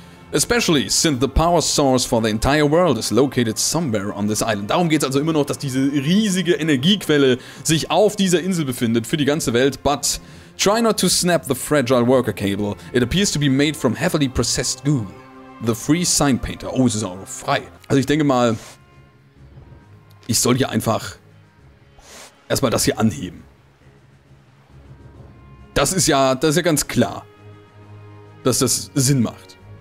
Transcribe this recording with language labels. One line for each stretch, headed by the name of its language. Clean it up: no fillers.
English: Especially since the power source for the entire world is located somewhere on this island.
German: Darum geht es also immer noch, dass diese riesige Energiequelle sich auf dieser Insel befindet für die ganze Welt.
English: But try not to snap the fragile worker cable. It appears to be made from heavily processed goo. The free sign painter.
German: Oh, es ist auch noch frei. Also ich denke mal, ich soll hier einfach erstmal das hier anheben. Das ist ja ganz klar, dass das Sinn macht.